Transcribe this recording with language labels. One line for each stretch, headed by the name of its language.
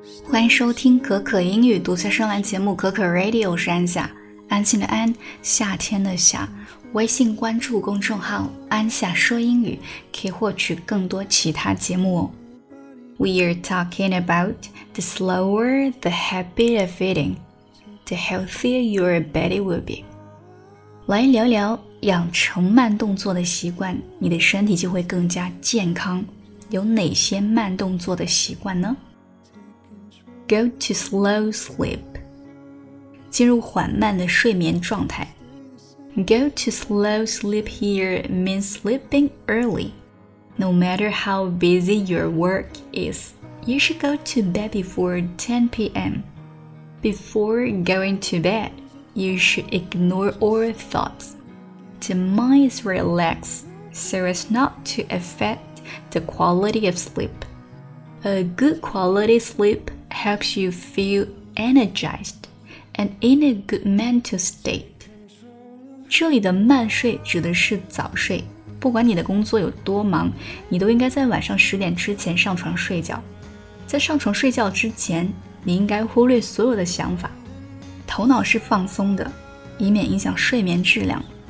Chinese: 欢迎收听可可英语独家声浪节目可可 Radio， 是安夏，安心的安，夏天的夏。微信关注公众号安夏说英语，可以获取更多其他节目哦。
English: We are talking about the slower the habit of eating, the healthier your body will be.
Chinese: 来聊聊养成慢动作的习惯，你的身体就会更加健康。有哪些慢动作的习惯呢？
English: Go to slow sleep，
Chinese: 进入缓慢的睡眠状态。
English: Go to slow sleep here means sleeping early. No matter how busy your work is, you should go to bed before 10 p.m. Before going to bed, you should ignore all thoughts. The mind is relaxed so as not to affect the quality of sleep. A good quality sleep helps you feel energized and in a good mental state.
Chinese: 这里的慢睡指的是早睡。不管你的工作有多忙，你都应该在晚上十点之前上床睡觉。在上床睡觉之前，你应该忽略所有的想法，头脑是放松的，以免影响睡眠质量。